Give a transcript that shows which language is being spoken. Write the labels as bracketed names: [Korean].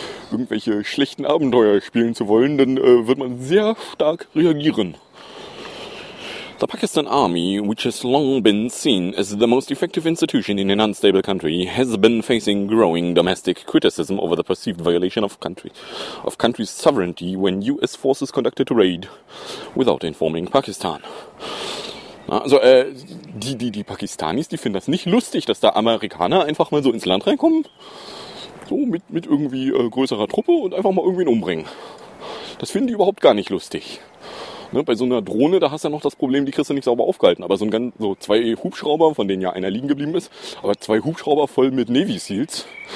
[German] Irgendwelche schlechten Abenteuer spielen zu wollen, dann wird man sehr stark reagieren. [English] The Pakistan Army, which has long been seen as the most effective institution in an unstable country, has been facing growing domestic criticism over the perceived violation of country's sovereignty when US forces conducted a raid without informing Pakistan. [German] Also die Pakistanis, die finden das nicht lustig, dass da Amerikaner einfach mal so ins Land reinkommen. So, mit irgendwie größerer Truppe und einfach mal irgendwen umbringen. Das finden die überhaupt gar nicht lustig. Ne, bei so einer Drohne, da hast du ja noch das Problem, die kriegst du nicht sauber aufgehalten. Aber so zwei Hubschrauber, von denen ja einer liegen geblieben ist, aber zwei Hubschrauber voll mit Navy Seals.